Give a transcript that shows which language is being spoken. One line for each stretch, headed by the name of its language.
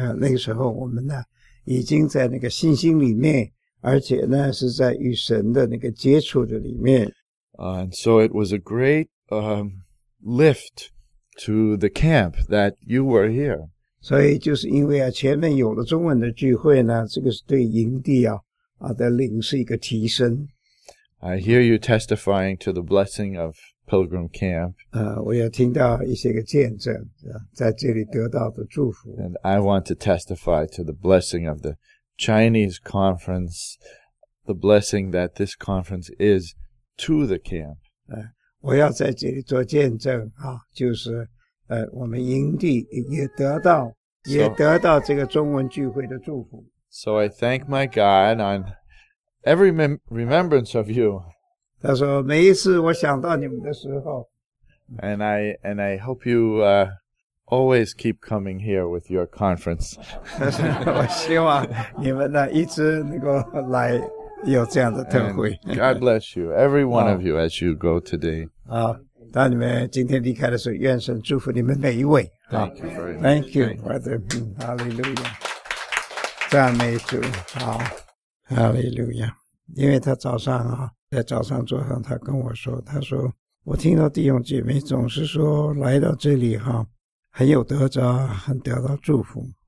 Chinese: 那个时候我们呢，已经在那个信心里面，而且呢是在与神的那个接触的里面。
English: And so it was a great lift to the camp that you were here.
Chinese: 所以就是因为啊，前面有了中文的聚会呢，这个是对营地啊的灵是一个提升。
English: I hear you testifying to the blessing of Pilgrim Camp.
Chinese: 我也听到一些个见证，在这里得到的祝福。
English: And I want to testify to the blessing of the Chinese conference, the blessing that this conference is. To the camp.
Chinese: 我要在这里做见证啊，就是我们营地也得到这个中文聚会的祝福。
English: So I thank my God on every remembrance of you.
Chinese: 他说每一次我想到你们的时候。
English: And I hope you always keep coming here with your conference.
Chinese: 我希望你们呢一直能够来。有这样的特会。
English: God bless you, every one of you as you go today.
Chinese: 当你们今天离开的时候，愿神祝福你们每一位。
English: Thank you very much. Thank you, brother. Hallelujah.
Chinese: 赞美主。好。Hallelujah. 因为他早上在早上座上他跟我说，他说我听到弟兄姐妹总是说来到这里哈，很有得着，很得到祝福。